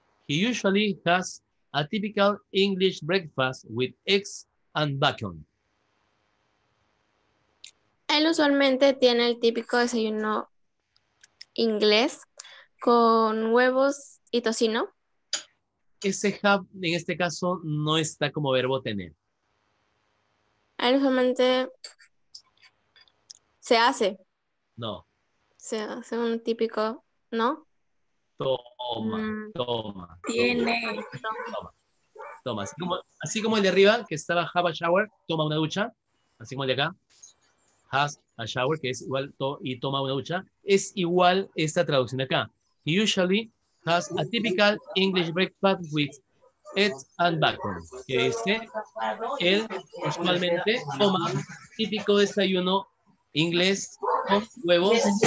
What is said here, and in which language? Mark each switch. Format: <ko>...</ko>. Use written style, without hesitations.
<en>He usually has a typical English breakfast with eggs and bacon.</en> <es>Él usualmente tiene el típico desayuno inglés con huevos y tocino. Ese have en este caso no está como verbo tener. Él usualmente se hace. No. Se hace un típico, ¿no? Toma. Tiene. Toma. Así como el de arriba, que estaba</es> <en>have a shower,</en> <es>toma una ducha. Así como el de acá,</es> <en>has a shower,</en> <es>que es igual y toma una ducha. Es igual esta traducción de acá.</es> <en>Usually has a typical English breakfast with eggs and bacon.</en> <es>Que dice, él usualmente toma típico desayuno inglés con huevos.</es>